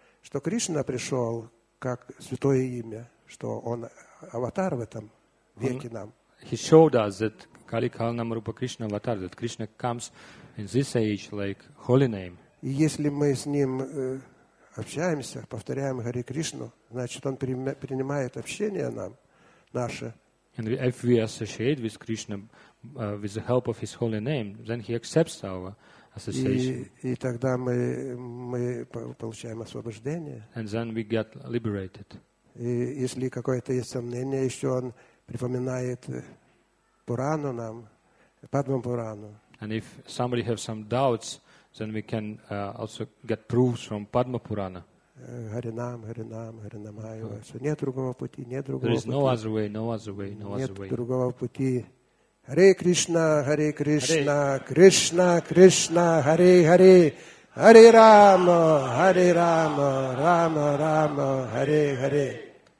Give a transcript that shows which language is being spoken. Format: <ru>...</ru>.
<ru>Что Кришна пришел как святое имя, что он аватар в этом веке нам.</ru> <en>He showed us that Kali Gala Nama Rupa Krishna Avatar, that Krishna comes in this age like holy name.</en> <ru>И если мы с ним общаемся, повторяем Хари Кришну, значит, он принимает общение нам, наше.</ru> <en>And if we associate with Krishna with the help of his holy name, then he accepts our association.</en> <ru>И тогда мы получаем освобождение.</ru> <en>And then we get liberated.</en> <ru>И если какое-то есть сомнение, еще он припоминает Пурану нам, Падмам Пурану.</ru> <en>And if somebody has some doubts, then we can also get proofs from Padma Purana.</en> <sa>Харинам, Харинам, Харинамай.</sa> <ru>Нет другого пути, нет другого пути.</ru> <en>There is no other way, no other way, no other way.</en> <ru>Нет другого пути.</ru> <sa>Харе Кришна, Харе Кришна, Кришна, Кришна, Харе, Харе, Харе Рама, Харе Рама, Рама, Рама, Харе, Харе.</sa>